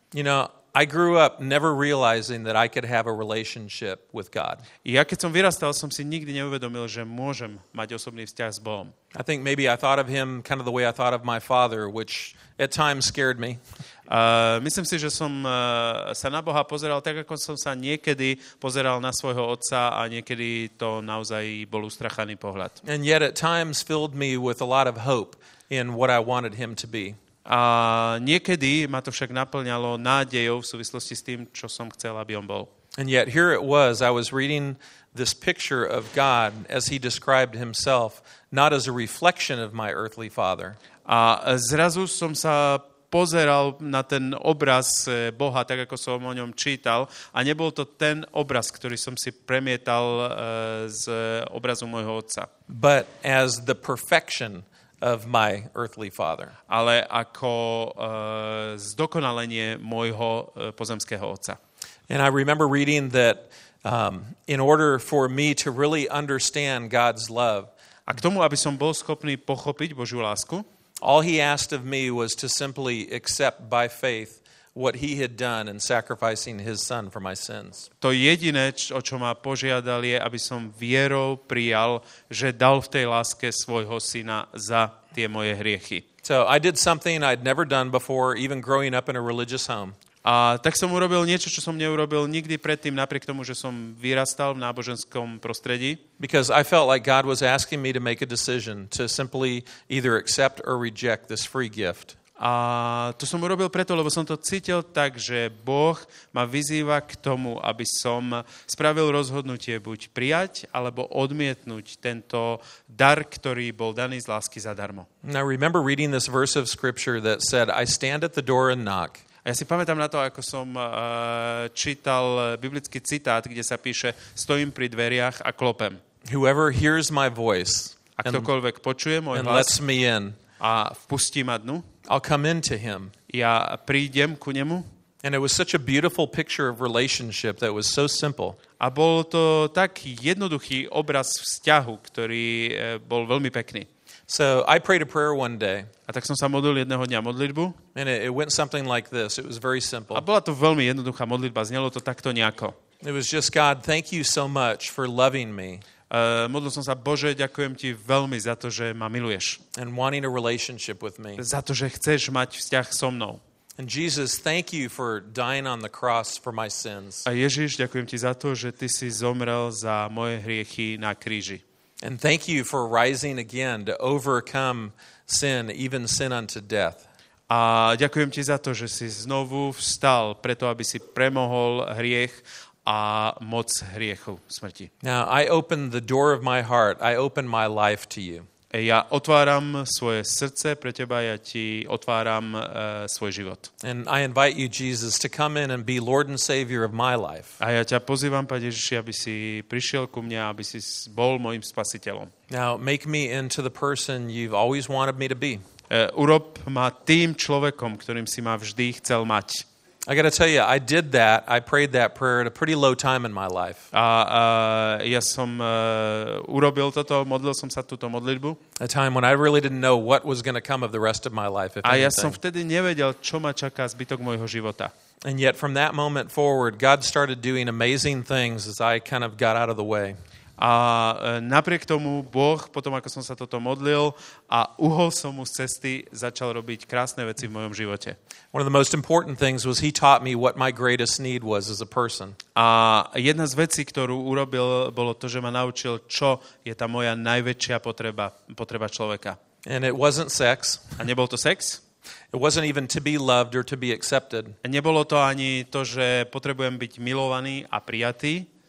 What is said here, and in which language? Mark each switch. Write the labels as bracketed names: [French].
[English] You know, I grew up never realizing that I could have a relationship with God. [Slovak] Ja keď som vyrastal, som si nikdy neuvedomil, že môžem mať osobný vzťah s Bohom. [English] I think maybe I thought of him kind of the way I thought of my father, which at times scared me. [Slovak] Myslím si, že som sa na Boha pozeral tak, ako som sa niekedy pozeral na svojho otca a niekedy to naozaj bol ustrachaný pohľad. [English] And yet at times filled me with a lot of hope in what I wanted him to be. [Slovak] A niekedy ma to však naplňalo nádejou v súvislosti s tým, čo som chcel, aby on bol. [English] And yet here it was, I was reading this picture of God as he described himself, not as a reflection of my earthly father. [Slovak] A zrazu som sa pozeral na ten obraz Boha, tak ako som o ňom čítal, a nebol to ten obraz, ktorý som si premietal z obrazu môjho otca. [English] But as the perfection of my earthly father. [Slovak] Ale ako zdokonalenie môjho pozemského otca. [English] And I remember reading that in order for me to really understand God's love, [Slovak] a k tomu, aby som bol schopný pochopiť Božiu lásku, [English] all he asked of me was to simply accept by faith what he had done in sacrificing his son for my sins. [Slovak] To jediné, o čo ma požiadal, je, aby som vierou prijal, že dal v tej láske svojho syna za tie moje hriechy. [English] So I did something I'd never done before, even growing up in a religious home. [Slovak] A tak som urobil niečo, čo som neurobil nikdy predtým, napriek tomu, že som vyrastal v náboženskom prostredí. [English] Because I felt like God was asking me to make a decision to simply either accept or reject this free gift. [Slovak] A to som urobil preto, lebo som to cítil tak, že Boh ma vyzýva k tomu, aby som spravil rozhodnutie buď prijať, alebo odmietnúť tento dar, ktorý bol daný z lásky zadarmo. [English] I remember reading this verse of scripture that said, I stand at the door and knock. [Slovak] A ja si pamätám na to, ako som čítal biblický citát, kde sa píše, stojím pri dveriach a klopem. [English] Whoever hears my voice [Slovak] a ktokoľvek počuje môj [English] and lets me in [Slovak] a vpustí ma dnu, [English] I'll come into him. [Slovak] Ja prídem ku nemu. [English] And it was such a beautiful picture of relationship that was so simple. [Slovak] A bol to tak jednoduchý obraz vzťahu, ktorý bol veľmi pekný. [English] So I prayed a prayer one day. [Slovak] A tak som sa modlil jedného dňa modlitbu. [English] And it went something like this. It was very simple. [Slovak] A bola to veľmi jednoduchá modlitba. Znelo to takto nejako. [English] It was just, God, thank you so much for loving me. [Slovak] Modlil som sa, Bože, ďakujem ti veľmi za to, že ma miluješ. [English] And wanting a relationship with me. [Slovak] Za to, že chceš mať vzťah so mnou. [English] And Jesus, thank you for dying on the cross for my sins. [Slovak] A Ježiš, ďakujem ti za to, že ty si zomrel za moje hriechy na kríži. [English] And thank you for rising again to overcome sin, even sin unto death. [Slovak] A ďakujem ti za to, že si znovu vstal, preto aby si premohol hriech a moc hriechu smrti. [English] Now I open the door of my heart, I open my life to you. [Slovak] Ja otváram svoje srdce pre teba, ja ti otváram svoj život. [English] And I invite you, Jesus, to come in and be Lord and Savior of my life. [Slovak] A ja ťa pozývam, Pane Ježiši, aby si prišiel ku mne, aby si bol mojim spasiteľom. [English] Now make me into the person you've always wanted me to be. [Slovak] Urob ma tým človekom, ktorým si ma vždy chcel mať. [English] I got to tell you, I did that. I prayed that prayer at a pretty low time in my life. [Slovak] Ja som urobil toto, modlil som sa túto modlitbu. [English] A time when I really didn't know what was going to come of the rest of my life. [Slovak] A ja som vtedy nevedel, čo ma čaká zbytok môjho života. [English] And yet from that moment forward, God started doing amazing things as I kind of got out of the way. [Slovak] A napriek tomu Boh, potom ako som sa toto modlil a uhol som mu z cesty, začal robiť krásne veci v mojom živote. [English] One of the most important things was he taught me what my greatest need was as a person. [Slovak] A jedna z vecí, ktorú urobil, bolo to, že ma naučil, čo je tá moja najväčšia potreba, potreba človeka. [English] And it wasn't sex. [Slovak] A nebol to sex? [English] It wasn't even to be loved or to be accepted. [Slovak] A nebolo to ani to, že potrebujem byť milovaný a prijatý.